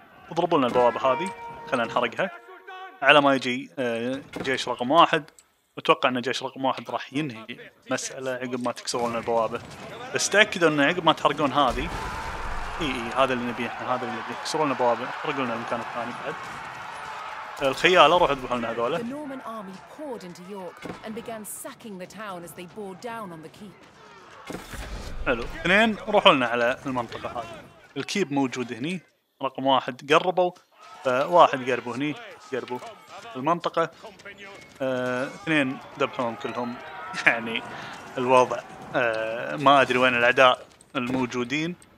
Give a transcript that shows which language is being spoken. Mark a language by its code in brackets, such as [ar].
[ar] اضربوا لنا البوابه هذه، خلينا نحرقها على ما يجي جيش رقم واحد. اتوقع ان جيش رقم واحد راح ينهي مساله عقب ما تكسرون البوابه. بس تاكدوا ان عقب ما تحرقون هذه، اي هذا اللي نبيه، هذا اللي نبيه. كسروا لنا البوابه، احرقوا لنا المكان الثاني بعد. الخيال اروح اذبح لنا هذول. [en] The Norman army poured into York and began sacking the town as they bore down on the keep. [ar] حلو. اثنين روحوا لنا على المنطقة هذه. الكيب موجود هني. رقم واحد قربوا. واحد قربوا هني. قربوا المنطقة. اثنين ذبحهم كلهم. يعني الوضع ما ادري وين الاعداء الموجودين.